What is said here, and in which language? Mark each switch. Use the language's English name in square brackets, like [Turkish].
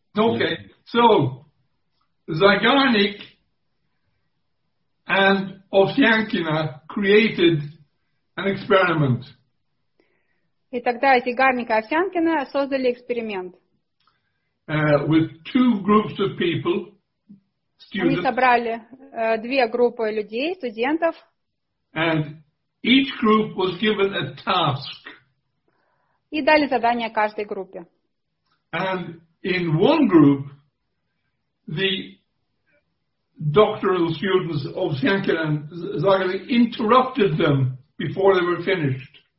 [English] Okay, so Zagarnik and Ovsyankina created an experiment. [Russian] И тогда Зигарник и Овсянкина создали эксперимент. [English] With two groups of people, students. [Russian] Они собрали две группы людей, студентов. [English] And each group was given a task. [Russian] И дали задание каждой группе. [English] And in one group, the doctoral students of Ovsyankina and Zagarnik interrupted them before they were finished.